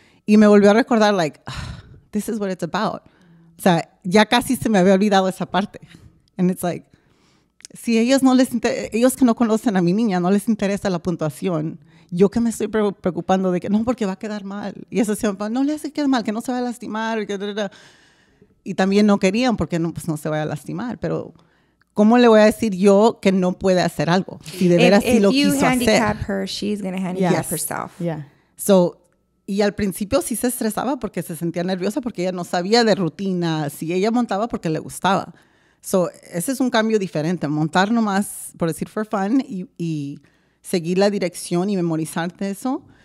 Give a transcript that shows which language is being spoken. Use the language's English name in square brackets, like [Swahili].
[Spanish] Y me volvió a recordar, [English] like, this is what it's about. [Spanish] O sea, ya casi se me había olvidado esa parte. [English] And it's like, [Spanish] si ellos no les ellos que no conocen a mi niña, no les interesa la puntuación, yo que me estoy preocupando de que, no, porque va a quedar mal. Y eso siempre, no le hace que quede mal, que no se va a lastimar. Y también no querían porque no, pues no se vaya a lastimar. Pero, ¿cómo le voy a decir yo que no puede hacer algo? Si de veras sí lo quiso hacer. [English] If you handicap her, she's going to handicap herself. Yeah. [Spanish] So, y al principio sí se estresaba porque se sentía nerviosa porque ella no sabía de rutina. Si ella montaba porque le gustaba. So, ese es un cambio diferente. Montar nomás, por decir, [English] for fun [Spanish] y seguir la dirección y memorizarte eso.